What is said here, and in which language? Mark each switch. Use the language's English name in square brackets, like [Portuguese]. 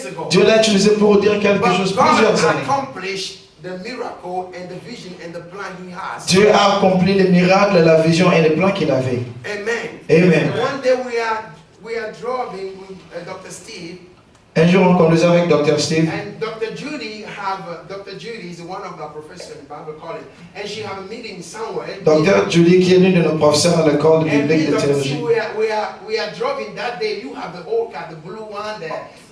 [French] Dieu l'a utilisé pour dire quelque chose plusieurs années. [English] The miracle and the vision and the plan he has. [French] Dieu a accompli les miracles, la vision et les plans qu'il avait. Amen. Amen. [English] One day we are driving with Dr. Steve. [French] Un jour on conduisait avec Dr. Steve. [English] And Dr. Judy is one of our professors in Bible College, and she have a meeting somewhere. [French] Dr. Judy qui est une de nos professeurs à l'école de biblique de théologie. [English] And we are driving that day. You have the old car, the blue one there.